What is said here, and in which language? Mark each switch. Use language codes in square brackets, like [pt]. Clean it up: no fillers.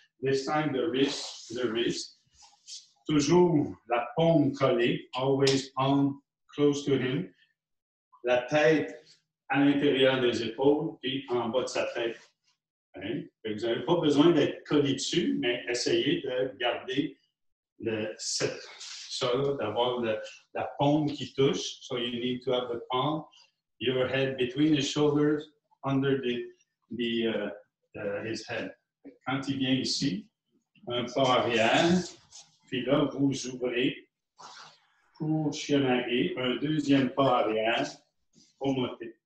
[en] This time, the wrist. [fr] Toujours la paume collée, [en] always palm close to him. [fr] La tête à l'intérieur des épaules et en bas de sa tête. Hein? Vous n'avez pas besoin d'être collé dessus, mais essayez de garder d'avoir la paume qui touche. [en] So you need to have the palm, your head between his shoulders, under his head. [fr] Quand il vient ici, un pas arrière. Puis là, vous ouvrez pour Shiranage, un deuxième pas arrière, omote.